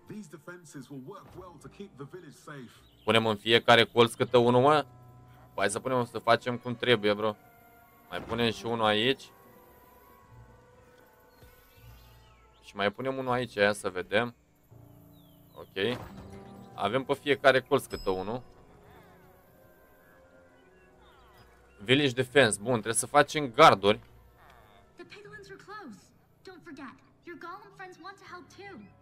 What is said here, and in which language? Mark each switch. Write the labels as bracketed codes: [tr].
[en] These defenses will work well to keep the village safe. [ro] Punem în fiecare colț câte unul, mă. Hai să punem, să facem cum trebuie, bro. Mai punem și unul aici. Și mai punem unul aici, aia să vedem. Ok. Avem pe fiecare colț câte unul. Village defense, bun, trebuie să facem garduri. [en] The piglins are close. Don't forget, your golem friends want to help too.